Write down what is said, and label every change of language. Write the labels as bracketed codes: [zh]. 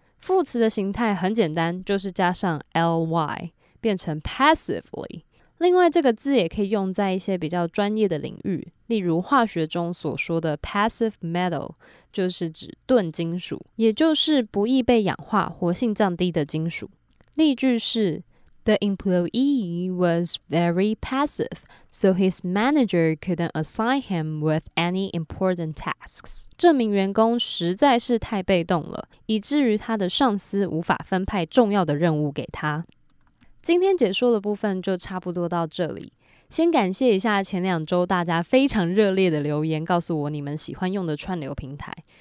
[zh] 副词的形态很简单，就是加上 ly 变成 passively。另外这个字也可以用在一些比较专业的领域，例如化学中所说的 passive metal 就是指钝金属，也就是不易被氧化、活性降低的金属。例句是 [en] The employee was very passive, so his manager couldn't assign him with any important tasks. [zh] 这名员工实在是太被动了，以至于他的上司无法分派重要的任务给他。今天解说的部分就差不多到这里。先感谢一下前两周大家非常热烈的留言，告诉我你们喜欢用的串流平台。